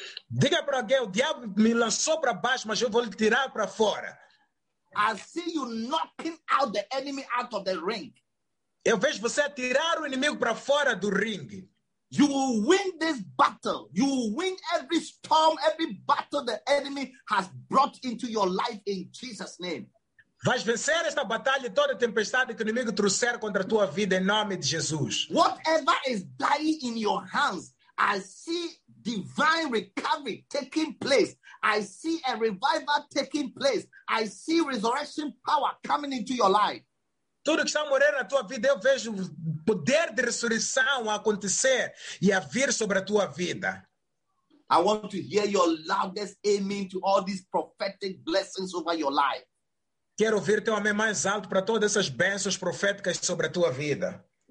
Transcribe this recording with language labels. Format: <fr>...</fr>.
<pt>Diga para alguém, o diabo me lançou para baixo, mas eu vou lhe tirar para fora.</pt> <en>I see you knocking out the enemy out of the ring.</en> <pt>Eu vejo você atirar o inimigo para fora do ringue.</pt> <en>You will win this battle. You will win every storm, every battle the enemy has brought into your life in Jesus' name.</en> <pt>Vais vencer esta batalha e toda a tempestade que o inimigo trouxer contra a tua vida em nome de Jesus.</pt> <en>Whatever is dying in your hands, I see divine recovery taking place. I see a revival taking place. I see resurrection power coming into your life.</en> <pt>Tudo que está morrendo na tua vida, eu vejo poder de ressurreição acontecer e a vir sobre a tua vida.</pt> <en>I want to hear your loudest amen to all these prophetic blessings over your life.</en> <pt>Quero ouvir teu amém mais alto para todas essas bênçãos proféticas sobre a tua vida.</pt>